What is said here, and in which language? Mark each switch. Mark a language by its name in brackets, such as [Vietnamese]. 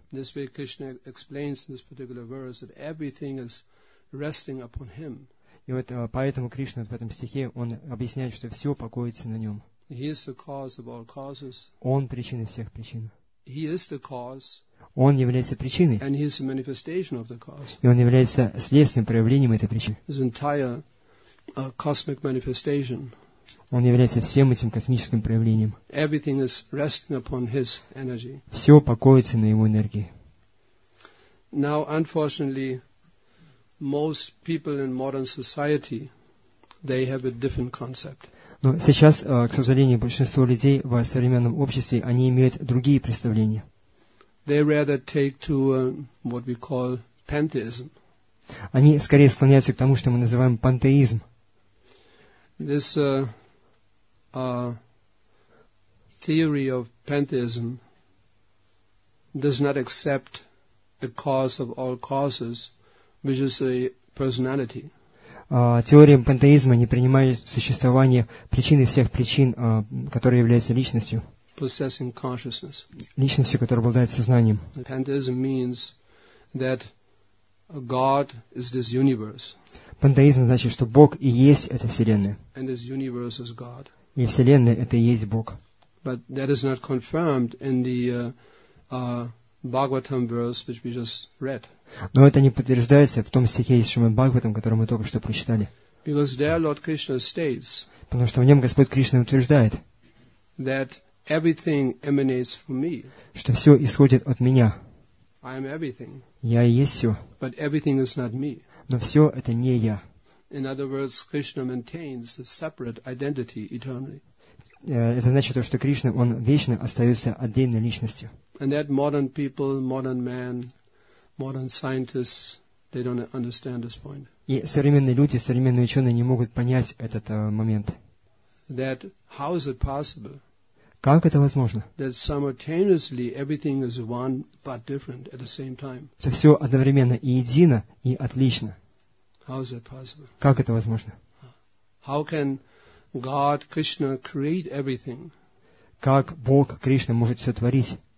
[English] This way Krishna explains in this particular verse that everything is resting upon him. [Russian] И вот поэтому Кришна в этом стихе, он объясняет, что все покоится на нем. [English] He is the cause of all causes. [Russian] Он причина всех причин. [English] He is the cause. [Russian] Он является причиной. [English] And he is the manifestation of the cause. [Russian] И он является следствием, проявлением этой причины. [English] His entire cosmic manifestation. [Russian] Он является всем этим космическим проявлением. [English] Everything is resting upon his energy. [Russian] Все покоится на его энергии. [English] Now, unfortunately, most people in modern society, they have a different concept. [Russian] Но сейчас, к сожалению, большинство людей в современном обществе, они имеют другие представления. [English] They rather take to what we call pantheism. [Russian] Они скорее склоняются к тому, что мы называем пантеизм. [English] This theory of pantheism does not accept a cause of all causes, which is a personality. [Russian] Теория пантеизма не принимает существование причины всех причин, которая является личностью. [English] Possessing consciousness. [Russian] Личностью, которая обладает сознанием. [English] Pantheism means that God is this universe. [Russian] Пантеизм значит, что Бог и есть эта вселенная. [English] And this universe is God. [Russian] И вселенная это и есть Бог. [English] But that is not confirmed in the Bhagavatam verse which we just read. [Russian] Но это не подтверждается в том стихе из Шримад Бхагаватам, который мы только что прочитали. [English] Because there Lord Krishna states. [Russian] Потому что в нем Господь Кришна утверждает. [English] That everything emanates from me. [Russian] Что все исходит от меня. [English] I am everything. [Russian] Я и есть все. [English] But everything is not me. [Russian] Но все это не я. [English] In other words, Krishna maintains a separate identity eternally. [Russian] Это значит то, что Кришна, он вечно остается отдельной личностью. [English] And that modern people, modern man, modern scientists, they don't understand this point. [Russian] И современные люди, современные ученые не могут понять этот момент. [English] That how is it possible? [Russian] Как это возможно? [English] That simultaneously everything is one but different at the same time. [Russian] Что все одновременно и едино, и отлично. [English] How is that possible? [Russian] Как это возможно? [English] How can God, Krishna, create everything? [Russian] Как Бог, Кришна, может все творить?